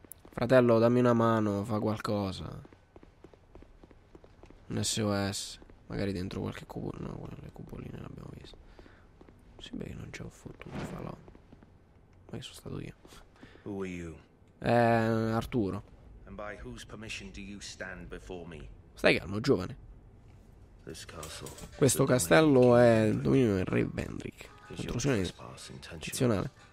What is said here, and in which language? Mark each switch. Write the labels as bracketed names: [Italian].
[Italian] Fratello, dammi una mano, fa qualcosa. Un SOS. Magari dentro qualche cubo. No, le cupoline l'abbiamo vista. Sì, beh, non c'ho fortuna, falò. Ma io sono stato io. [English] Who are you? [Italian] Arturo. [English] And by whose permission do you stand before me? [Italian] Stai calmo, giovane. [English] This castle. [Italian] Questo castello è il dominio del re Vendrick. Intrusione intenzionale.